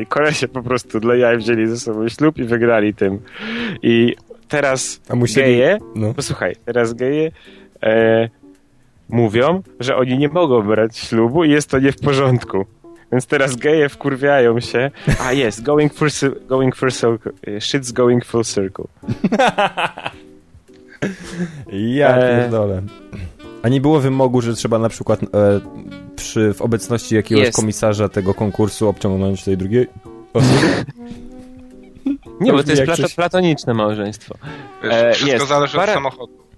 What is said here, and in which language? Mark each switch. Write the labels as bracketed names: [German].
[Polish] I kolesie po prostu dla jaj wzięli ze sobą ślub i wygrali tym. I teraz geje... No. Posłuchaj, teraz geje... mówią, że oni nie mogą brać ślubu i jest to nie w porządku. Więc teraz geje wkurwiają się. A jest, [English] shit's going full circle. [Polish] Ja pierdolę. A nie było wymogu, że trzeba na przykład w obecności jakiegoś komisarza tego konkursu obciągnąć tej drugiej osoby? Nie, bo to jest platoniczne małżeństwo. Wszystko zależy od samochodu.